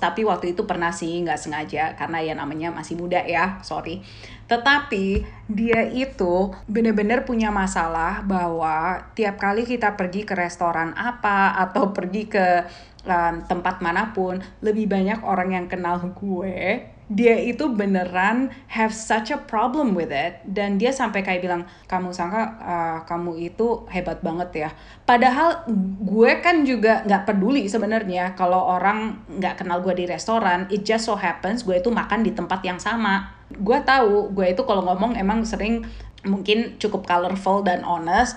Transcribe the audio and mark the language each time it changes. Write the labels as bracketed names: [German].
[Indonesian] Tapi waktu itu pernah sih, gak sengaja, karena ya namanya masih muda ya, sorry. Tetapi dia itu bener-bener punya masalah bahwa tiap kali kita pergi ke restoran apa atau pergi ke tempat manapun, lebih banyak orang yang kenal gue. Dia itu beneran [English] have such a problem with it. [Indonesian] Dan dia sampai kayak bilang, kamu sangka kamu itu hebat banget ya. Padahal gue kan juga gak peduli sebenarnya kalau orang gak kenal gue di restoran. [English] It just so happens [Indonesian] gue itu makan di tempat yang sama. Gue tahu gue itu kalau ngomong emang sering mungkin cukup colorful dan honest.